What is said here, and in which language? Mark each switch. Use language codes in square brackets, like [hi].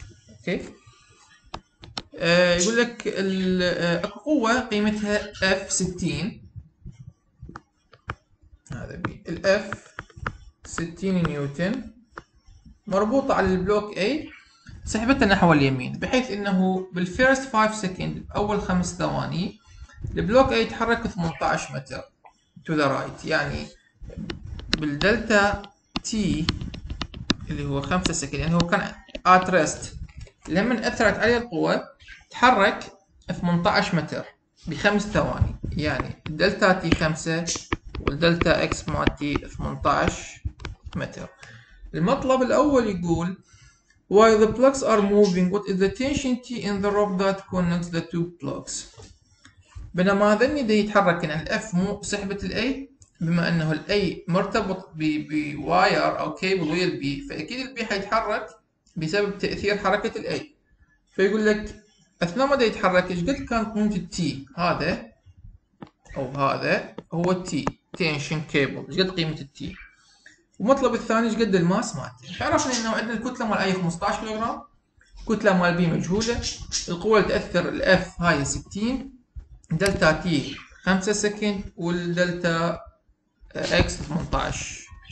[ar] اوكي يقول لك القوه قيمتها اف 60، هذا بي الاف 60 نيوتن مربوطه على البلوك اي سحبته نحو اليمين، بحيث انه بالفيرست 5 سكند اول 5 ثواني البلوك اي يتحرك 18 متر [en] to the right، [ar] يعني بالدلتا تي اللي هو 5 سكند، يعني هو كان ات ريست لما اثرت عليه القوة تحرك 18 متر بخمس ثواني، يعني الدلتا تي 5 والدلتا اكس مال تي 18 متر. [en] المطلب الاول يقول while the blocks are moving what is the tension T in the rope that connects the two blocks. [ar] بينما هذني دي يتحرك ان الاف مو سحبة الاي، بما انه الاي مرتبط بواير او كيبل ويا البي، فاكيد البي حيتحرك بسبب تأثير حركة الاي. فيقول لك اثناء ما دي يتحرك ايش قد كان قيمة التي هذا او هذا هو التي تنشن كيبل، ايش قد قيمة التي؟ والمطلب الثاني ايش قد الماس مالته؟ فعرفنا انه عندنا الكتلة مال اي 15 كيلوغرام، الكتلة مال بي مجهولة، القوة اللي تأثر الاف هاي 60، دلتا تي 5 سكند والدلتا اكس 18.